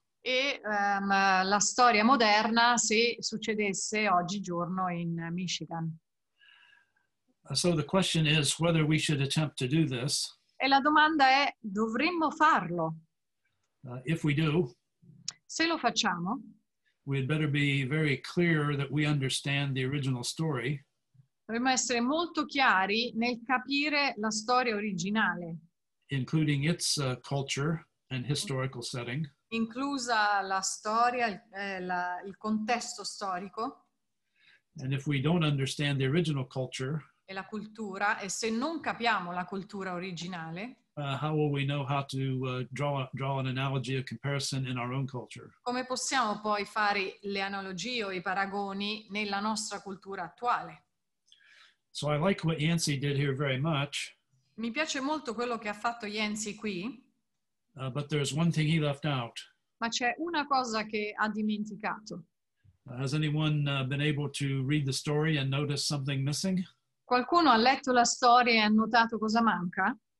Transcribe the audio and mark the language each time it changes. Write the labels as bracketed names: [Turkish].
[Italian] E la storia moderna se succedesse oggigiorno in Michigan. [English] So the question is whether we should attempt to do this. [Italian] E la domanda è, dovremmo farlo? [English] If we do, [Italian] se lo facciamo, [English] we had better be very clear that we understand the original story. [Italian] Dovremmo essere molto chiari nel capire la storia originale. [English] Including its culture and historical setting. [Italian] Inclusa la storia, il contesto storico. [English] And if we don't understand the original culture, [Italian] e la cultura, e se non capiamo la cultura originale, [English] how will we know how to draw an analogy, a comparison in our own culture? [Italian] Come possiamo poi fare le analogie o i paragoni nella nostra cultura attuale? [English] So I like what Yancey did here very much. [Italian] Mi piace molto quello che ha fatto Yancey qui. [English] But there's one thing he left out. [Italian] Ma c'è una cosa che ha dimenticato. [English] Has anyone been able to read the story and notice something missing? [Italian] Qualcuno ha letto la storia e ha notato cosa manca?